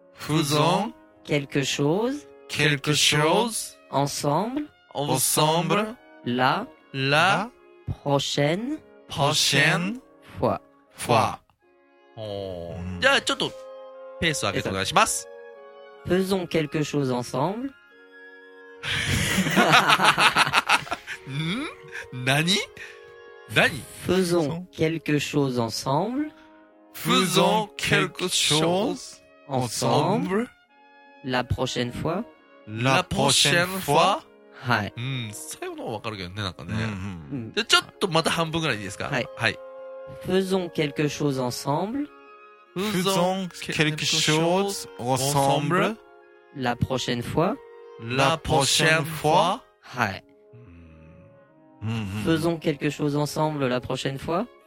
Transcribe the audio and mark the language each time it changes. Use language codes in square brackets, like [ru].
[fr] Faisons. Quelque chose, quelque chose, ensemble, ensemble, la, la, prochaine, prochaine, fois, fois. [ja] じゃあちょっとペースを上げてお願いします。 [fr] Faisons quelque chose ensemble. [ja] ん？何？何？ [fr] Faisons quelque chose ensemble. Faisons quelque chose ensemble. La prochaine fois. La prochaine fois. [ja] はい。最後の方分かるけどね、なんかね。うんうん、で、ちょっとまた半分ぐらいいいですか？はい。はい。 [fr] faisons quelque chose ensemble. Faisons quelque chose ensemble. La prochaine fois. La prochaine fois. Ouais. Faisons quelque chose ensemble la prochaine fois.